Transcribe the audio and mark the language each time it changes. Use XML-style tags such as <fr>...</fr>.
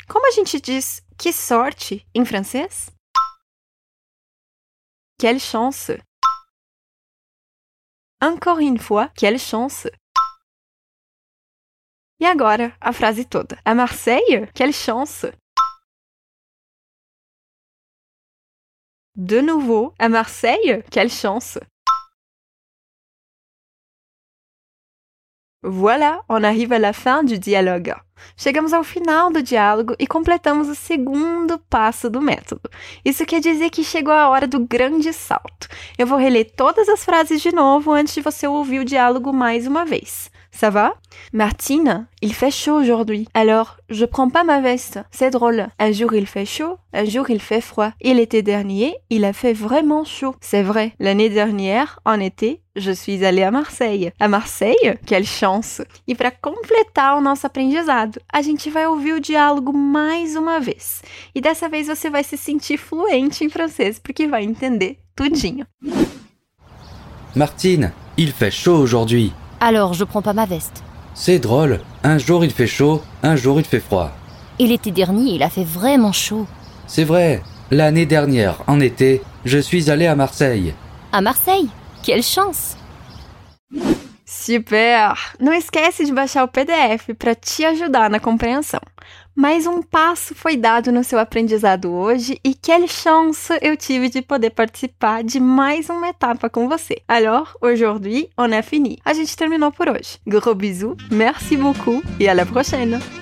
<pt>Como a gente diz que sorte em francês?</pt> <fr>Quelle chance! Encore une fois, quelle chance!</fr> <pt>E agora, a frase toda.</pt> <fr>À Marseille? Quelle chance! De nouveau, à Marseille? Quelle chance! Voilà, on arrive à la fin du dialogue.</fr> <pt>Chegamos ao final do diálogo e completamos o segundo passo do método. Isso quer dizer que chegou a hora do grande salto. Eu vou reler todas as frases de novo antes de você ouvir o diálogo mais uma vez.</pt> <fr>Ça va? Martine, il fait chaud aujourd'hui. Alors, je prends pas ma veste. C'est drôle. Un jour il fait chaud, un jour il fait froid. Et l'été dernier, il a fait vraiment chaud. C'est vrai. L'année dernière, en été, je suis allée à Marseille. À Marseille? Quelle chance!</fr> <pt>E para completar o nosso aprendizado, a gente vai ouvir o diálogo mais uma vez. E dessa vez você vai se sentir fluente em francês, porque vai entender tudinho.</pt> <fr>Martine, il fait chaud aujourd'hui. Alors, je prends pas ma veste. C'est drôle. Un jour, il fait chaud, un jour, il fait froid. Et l'été dernier, il a fait vraiment chaud. C'est vrai. L'année dernière, en été, je suis allé à Marseille. À Marseille? Quelle chance! Super!</fr> <pt>Não esquece de baixar o PDF para te ajudar na compreensão. Mais um passo foi dado no seu aprendizado hoje e</pt> <fr>quelle chance</fr> <pt>eu tive de poder participar de mais uma etapa com você.</pt> <fr>Alors, aujourd'hui, on a fini.</fr> <pt>A gente terminou por hoje.</pt> <fr>Gros bisous, merci beaucoup et à la prochaine!</fr>